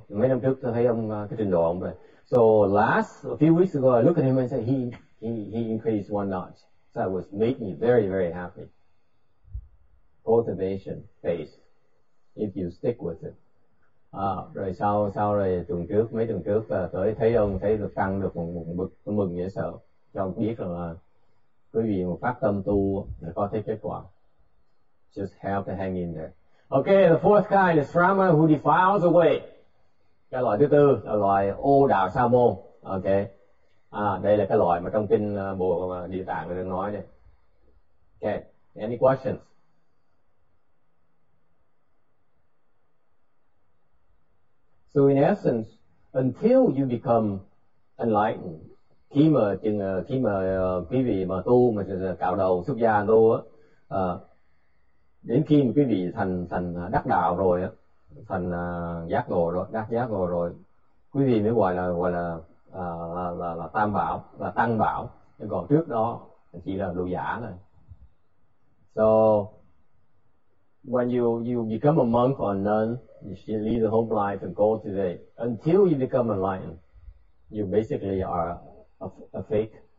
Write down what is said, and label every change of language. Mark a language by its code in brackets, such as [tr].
[vi] Mấy năm trước tôi thấy ông cái trình độ ông rồi. [en] So last, a few weeks ago, I looked at him and said he increased one notch. So it was made me very, very happy. Cultivation phase, if you stick with it. [vi] Rồi sau rồi tuần trước, mấy tuần trước tới thấy được tăng được một bậc, tôi mừng dễ sợ. Cho ông biết rằng là quý vị mà phát tâm tu là có thấy kết quả. [en] Just have to hang in there. Okay, the fourth kind is Brahma who defiles away. [vi] Cái loại thứ tư là loại ô đạo sa môn. Okay. Đây là cái loại mà trong kinh Bồ Địa Tạng đang nói đây. [en] Okay, any questions? So in essence, until you become enlightened, [vi] khi mà quý vị mà tu mà cạo đầu xuất gia tu á, đến khi mà quý vị thành đắc đạo rồi á, thành giác ngộ rồi, đắc giác ngộ rồi, quý vị mới gọi là tam bảo, là tăng bảo, nhưng còn trước đó chỉ là đồ giả thôi. [en] So when you become a monk or a nun, you should leave the home life and go today. Until you become enlightened, you basically are a fake,